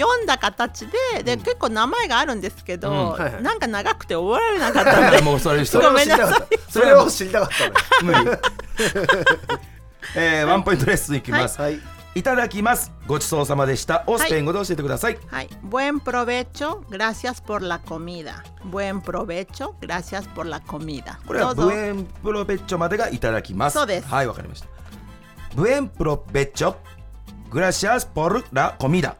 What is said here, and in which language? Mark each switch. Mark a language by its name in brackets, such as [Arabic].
[Japanese] 読んだ形 で、うん、結構名前があるんですけど、うん、なんか長くて終わられなかったんで、もうそれ、ごめんなさい、それを知りたかったの。無理。ワンポイントレッスンいきます、はい、いただきます、ごちそうさまでした、オスペン語で教えてください、 [Spanish] はいはい、Buen provecho, gracias por la comida. Buen provecho, gracias por la comida. [Japanese] これは [Spanish] Buen provecho [Japanese] までがいただきます。そうです、はい、わかりました。 [Spanish] Buen provecho, gracias por la comida.